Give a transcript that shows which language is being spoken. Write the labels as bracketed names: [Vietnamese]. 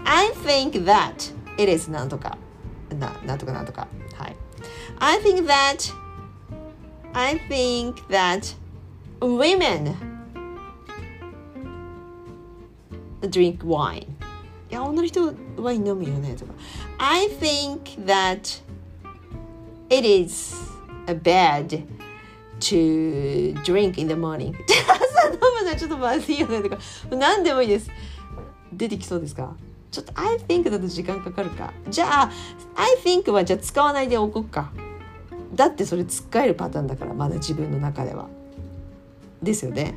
[English] I think that it is [Japanese] なんとかなんとかなんとか、はい、 [English] I think that women drink wine. [Japanese] いや、女の人ワイン飲むよねとか。 [English] I think that it is bad to drink in the morning. [Japanese] 朝飲むのはちょっとまずいよねとか。何でもいいです。出てきそうですか。ちょっと I think だと時間かかるか。じゃあ I think はじゃあ使わないでおこうか。だってそれ使えるパターンだから、まだ自分の中ではですよね。